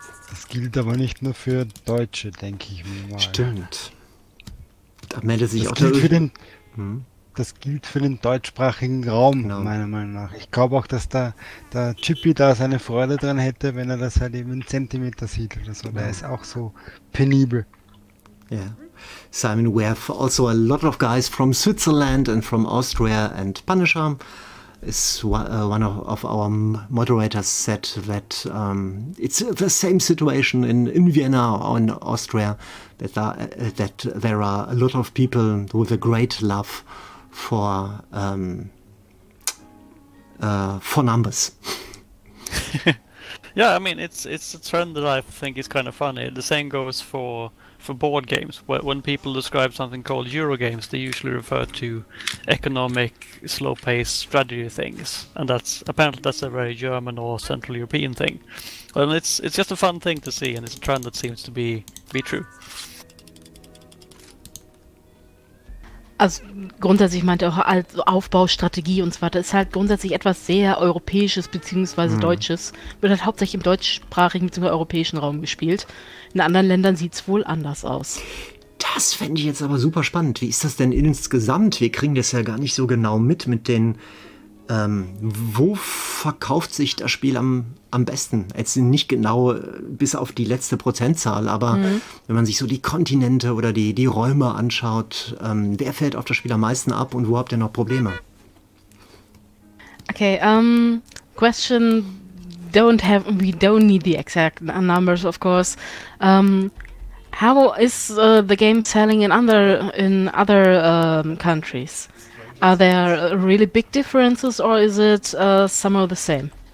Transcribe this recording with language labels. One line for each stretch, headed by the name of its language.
German: Das gilt aber nicht nur für Deutsche, denke ich mal. Stimmt. Da meldet sich das auch gilt für den. Das gilt für den deutschsprachigen Raum, genau. Meiner Meinung nach. Ich glaube auch, dass der Chippy da seine Freude dran hätte, wenn er das halt eben in Zentimeter sieht oder so. Genau. Der ist auch so penibel. Ja.
English: Yeah. Simon, we have also a lot of guys from Switzerland and from Austria, and Punisher is one of our moderators said that it's the same situation in Vienna or in Austria, that there are a lot of people with a great love for numbers. Yeah, I mean it's a trend that I think is kind of funny. The same goes for board games. When people describe something called Euro games, they usually refer to economic slow pace strategy things, and that's apparently a very German or Central European thing. And it's just a fun thing to see, and it's a trend that seems to be true.
German: Also grundsätzlich meinte auch also Aufbaustrategie und so weiter, ist halt grundsätzlich etwas sehr Europäisches bzw. Deutsches. Wird halt hauptsächlich im deutschsprachigen bzw. europäischen Raum gespielt. In anderen Ländern sieht es wohl anders aus. Das fände ich jetzt aber super spannend. Wie ist das denn insgesamt? Wir kriegen das ja gar nicht so genau mit den. Wo verkauft sich das Spiel am besten? Jetzt nicht genau bis auf die letzte Prozentzahl, aber wenn man sich so die Kontinente oder die Räume anschaut, wer fällt auf das Spiel am meisten ab und wo habt ihr noch Probleme?
English: Okay, question. We don't need the exact numbers, of course. How is the game selling in other countries? Are there really big differences, or is it some of the same?